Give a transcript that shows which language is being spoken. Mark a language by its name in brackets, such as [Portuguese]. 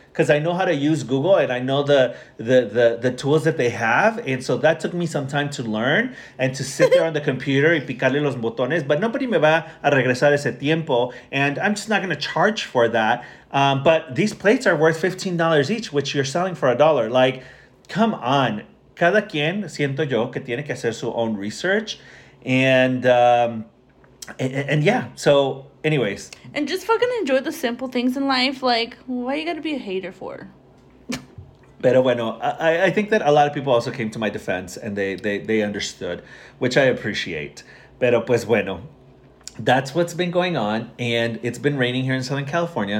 [English] Because I know how to use Google and I know the tools that they have. And so that took me some time to learn and to sit there on the computer [Spanish] y picarle los botones. [English] But nobody [Spanish] me va a regresar ese tiempo. [English] And I'm just not going to charge for that. But these plates are worth $15 each, which you're selling for a dollar. Like, come on. [Spanish] Cada quien siento yo que tiene que hacer su [English] own research. And yeah, so anyways. And just fucking enjoy the simple things in life. Like, why you gotta be a hater for? [Spanish] Pero bueno, [English] I think that a lot of people also came to my defense and they understood, which I appreciate. [Spanish] Pero pues bueno, [English] that's what's been going on. And it's been raining here in Southern California.